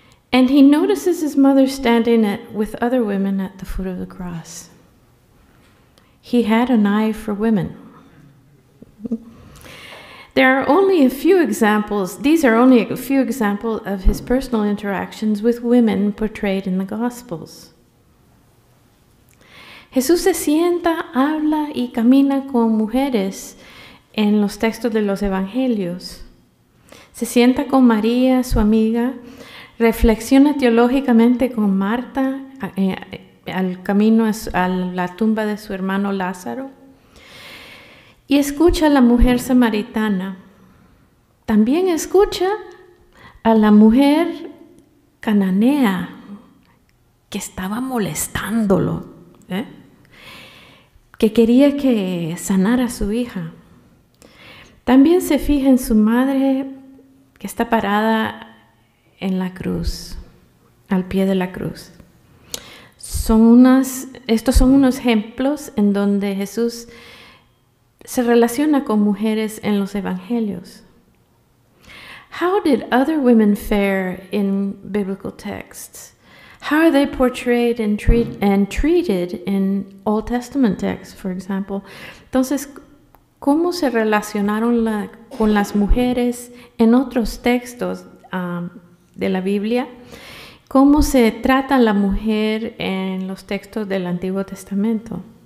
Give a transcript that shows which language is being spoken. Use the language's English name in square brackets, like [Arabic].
[English] And he notices his mother standing with other women at the foot of the cross. He had an eye for women. These are only a few examples of his personal interactions with women portrayed in the Gospels. [Spanish] Jesús se sienta, habla y camina con mujeres en los textos de los Evangelios. Se sienta con María, su amiga, reflexiona teológicamente con Marta al camino a la tumba de su hermano Lázaro y escucha a la mujer samaritana. También escucha a la mujer cananea que estaba molestándolo, que quería que sanara a su hija. También se fija en su madre que está parada en la cruz, al pie de la cruz. Estos son unos ejemplos en donde Jesús se relaciona con mujeres en los evangelios. [English] How did other women fare in biblical texts? How are they portrayed and treated in Old Testament texts, for example? [Spanish] Entonces, ¿cómo se relacionaron con las mujeres en otros textos de la Biblia? ¿Cómo se trata la mujer en los textos del Antiguo Testamento?